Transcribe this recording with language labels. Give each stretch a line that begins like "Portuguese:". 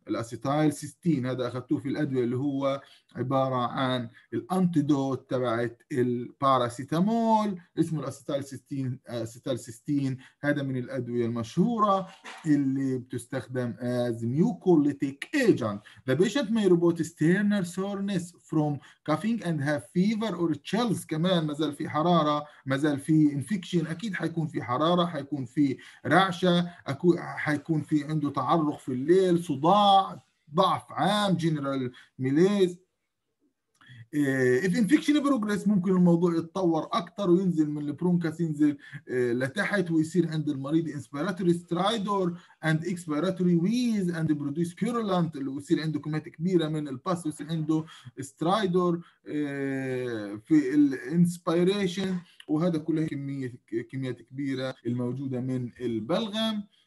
Arabic: الاسيتايل سيستين هذا اخذته في الادويه اللي هو عباره عن الانتيدوت تبعت الباراسيتامول، اسمه الاسيتايل سيستين. اسيتايل سيستين هذا من الادويه المشهوره اللي بتستخدم
English: As mucolytic agent. The patient may report sternal soreness from coughing and have fever or chills.
Arabic: كمان مازال في حراره، مازال في انفكشن، اكيد حيكون في حراره، حيكون في رعشه، حيكون في عنده تعرق في الليل، صداع، ضعف عام،
English: General malaise. If infection progress
Arabic: ممكن الموضوع يتطور أكثر وينزل من البرونكاس، ينزل لتحت ويصير عند المريض
English: inspiratory stridor and expiratory wheeze and produce purulent،
Arabic: اللي يصير عنده كمية كبيرة من الباس ويصير عنده stridor في ال inspiration، وهذا كله كمية كبيرة الموجودة من البلغم.